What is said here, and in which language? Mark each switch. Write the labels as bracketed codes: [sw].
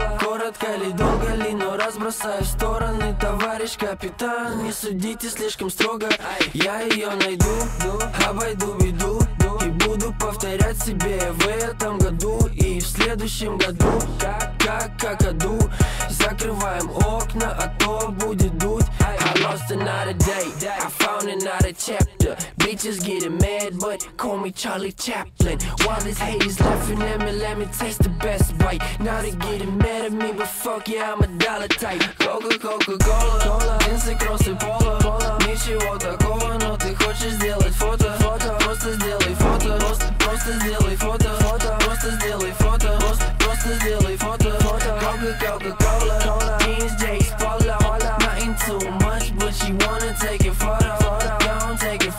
[ru] Коротко ли, долго ли, но разбросаю в стороны. Товарищ капитан, не судите слишком строго. Я ее найду, обойду беду. И буду повторять себе в этом году и в следующем году. Как аду, закрываем окна, а то будет дуть. [en] I lost another day, I found another chapter. Bitches getting mad, but call me Charlie Chaplin. While these haters laughing at me, let me taste the best bite. Now they getting mad at me, but fuck yeah, I'm a dollar type. [ru] Coca, Coca, Cola, Cola, Vince Cross и Пола. Ничего такого, но ты хочешь сделать фото. Фото, просто сделай фото. Просто сделай фото. Фото, просто сделай фото. Просто сделай фото. Фото, Coca, Coca, Cola, Cola, Vince Jace, Paula. [en] Nothing too much, but she wanna take a photo.